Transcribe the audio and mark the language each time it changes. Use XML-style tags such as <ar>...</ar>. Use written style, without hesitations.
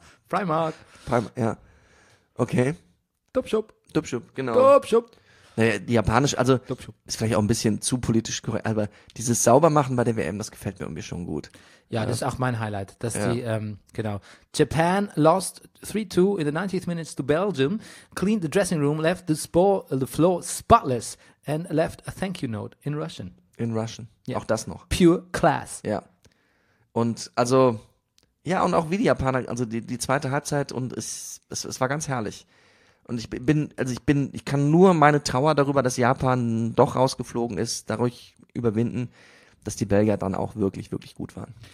<de>Primark, ja. Okay. Dubshop, genau. Dubshop. Naja, japanisch, also Dubshop. Ist vielleicht auch ein bisschen zu politisch korrekt, aber dieses Saubermachen bei der WM, das gefällt mir irgendwie schon gut. Ja, das ist auch mein Highlight, dass die, genau.</de> <en>Japan lost 3-2 in the 90th minute to Belgium, cleaned the dressing room, left the floor spotless and left a thank you note in Russian. In Russian, yeah.</en> <de>Auch das noch.</de> <en>Pure class.</en> <de>Ja. Und also, ja, und auch wie die Japaner, also die zweite Halbzeit, und es war ganz herrlich. Und ich kann nur meine Trauer darüber, dass Japan doch rausgeflogen ist, dadurch überwinden, dass die Belgier dann auch wirklich, wirklich gut waren.</de>